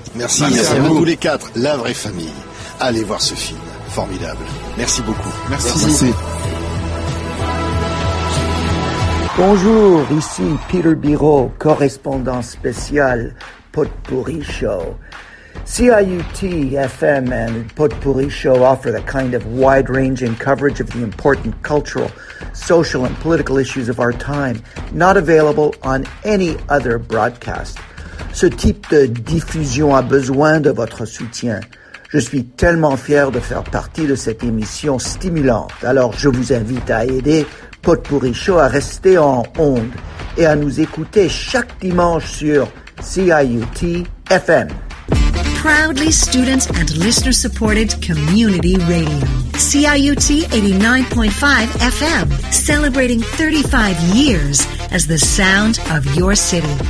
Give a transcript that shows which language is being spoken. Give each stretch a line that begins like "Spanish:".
French: Merci, bah, merci à vous tous les quatre. La vraie famille. Allez voir ce film. Formidable. Merci beaucoup. Merci. Bonjour, ici Peter Biraud, correspondant spécial Potpourri Show.
English: CIUT FM and Potpourri Show offer the kind of wide-ranging coverage of the important cultural, social, and political issues of our time not available on any other broadcast.
French: Ce type de diffusion a besoin de votre soutien. Je suis tellement fier de faire partie de cette émission stimulante. Alors, je vous invite à aider Potpourri Show à rester en onde et à nous écouter chaque dimanche sur CIUT FM.
English: Proudly student and listener supported community radio. CIUT 89.5 FM, celebrating 35 years as the sound of your city.